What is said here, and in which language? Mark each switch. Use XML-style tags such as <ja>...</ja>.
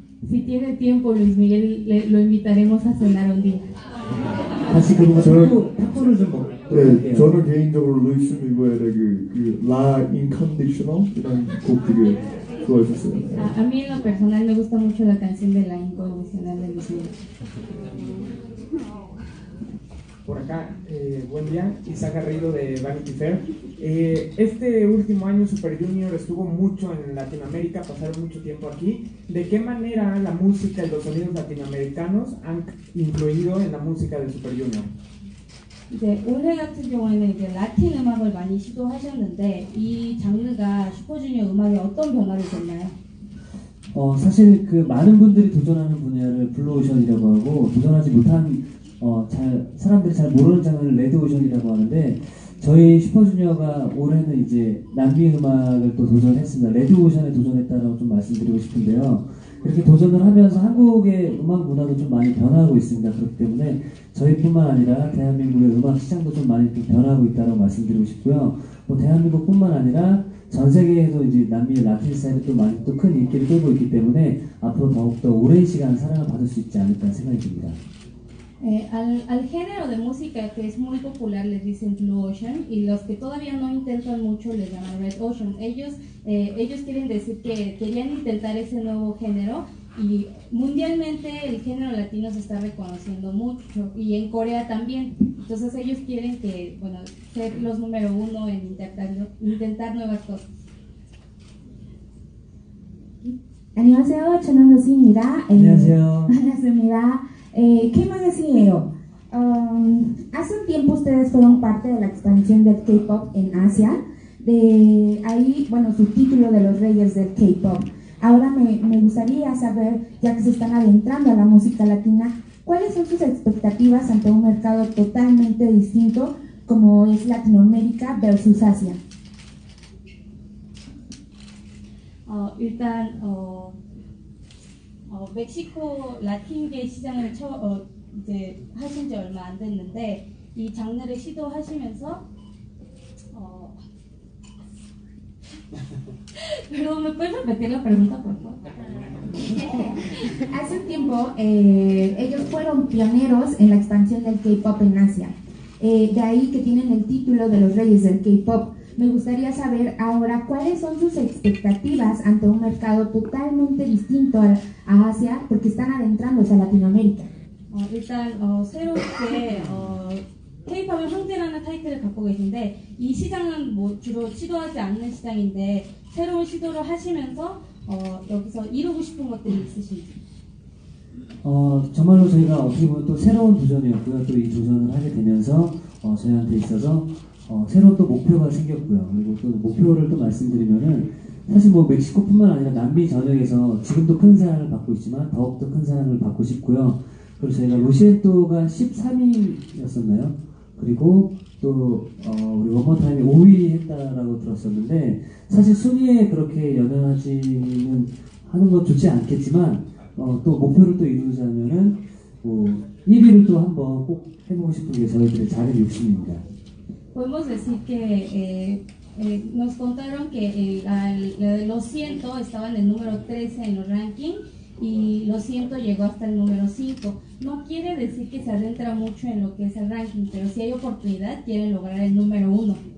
<es>Si tiene tiempo, Luis Miguel, lo invitaremos a cenar un día.</es> <ko>다시 그러면 저는 네, 저는 개인적으로 루이스 미구엘의 그 La Inconditional 이런 곡 되게 좋아했었어요.</ko> <es>아, a mí en lo personal me gusta mucho la canción de La Inconditional de Luis Miguel. Por acá, buen día, Isaac Garrido de Vanity Fair. Este último año Super Junior estuvo mucho en Latinoamérica, pasaron mucho tiempo aquí. ¿De qué manera la música y los sonidos latinoamericanos han influido en la música de Super Junior?</es> <ko>이제 올해 같은 경우에는 이제 라틴 음악을 많이 시도하셨는데 이 장르가 슈퍼주니어 음악에 어떤 변화를 줬나요? 사실 그 많은 분들이 도전하는 분야를 블루오션이라고 하고 도전하지 못한 사람들이 잘 모르는 장르를 레드오션이라고 하는데 저희 슈퍼주니어가 올해는 이제 남미 음악을 또 도전했습니다. 레드오션에 도전했다라고 좀 말씀드리고 싶은데요. 그렇게 도전을 하면서 한국의 음악 문화도 좀 많이 변화하고 있습니다. 그렇기 때문에 저희뿐만 아니라 대한민국의 음악 시장도 좀 많이 좀 변화하고 있다고 말씀드리고 싶고요. 뭐 대한민국뿐만 아니라 전 세계에도 이제 남미의 라틴 스타일이 또 많이 또 큰 인기를 끌고 있기 때문에 앞으로 더욱더 오랜 시간 사랑을 받을 수 있지 않을까 생각이 듭니다.</ko> <es>Al género de música que es muy popular les dicen Blue Ocean y los que todavía no intentan mucho les llaman Red Ocean. Ellos quieren decir que querían intentar ese nuevo género y mundialmente el género latino se está reconociendo mucho y en Corea también. Entonces ellos quieren que bueno ser los número uno en intentar nuevas cosas.</es> <ko>안녕하세요, 전원우씨입니다. 안녕하세요.</ko> <es>¿Qué más decía yo? Hace un tiempo ustedes fueron parte de la expansión del K-pop en Asia. De ahí, bueno, su título de los reyes del K-pop. Ahora me gustaría saber, ya que se están adentrando a la música latina, ¿cuáles son sus expectativas ante un mercado totalmente distinto como es Latinoamérica versus Asia?</es> <ko>일단 멕시코 라틴계 시장을 이제 하신 지 얼마 안 됐는데 이 장르를 시도하시면서</ko> <es>pero me puedes repetir la pregunta por favor. Hace un tiempo ellos fueron pioneros en la expansión del K-pop en Asia. De ahí que tienen el título de los reyes del K-pop. Me gustaría saber ahora cuáles son sus expectativas ante un mercado totalmente distinto a Asia porque están adentrándose a Latinoamérica.</es> <ko>일단 새롭게 K-pop의 황제라는 타이틀을 갖고 계신데 이 시장은 뭐 주로 시도하지 않는 시장인데 새로운 시도를 하시면서 여기서 이루고 싶은 것들이 있으신지. 정말로 저희가 어떻게 보면 또 새로운 도전이었고요. 또 이 도전을 하게 되면서 저희한테 있어서 새로운 또 목표가 생겼고요. 그리고 또 목표를 또 말씀드리면은 사실 뭐 멕시코뿐만 아니라 남미 전역에서 지금도 큰 사랑을 받고 있지만 더욱더 큰 사랑을 받고 싶고요. 그리고 저희가 로시엔토가 13위였었나요? 그리고 또 우리 원모타임이 5위 했다라고 들었었는데 사실 순위에 그렇게 연연하지는 하는 건 좋지 않겠지만 또 목표를 또 이루자면은 뭐 1위를 또 한번 꼭 해보고 싶은 게 저희들의 작은 욕심입니다.</ko> <es>Podemos decir que nos contaron que los 100 estaban en el número 13 en los rankings y los 100 llegó hasta el número 5. No quiere decir que se adentra mucho en lo que es el ranking, pero si hay oportunidad quieren lograr el número 1.</es>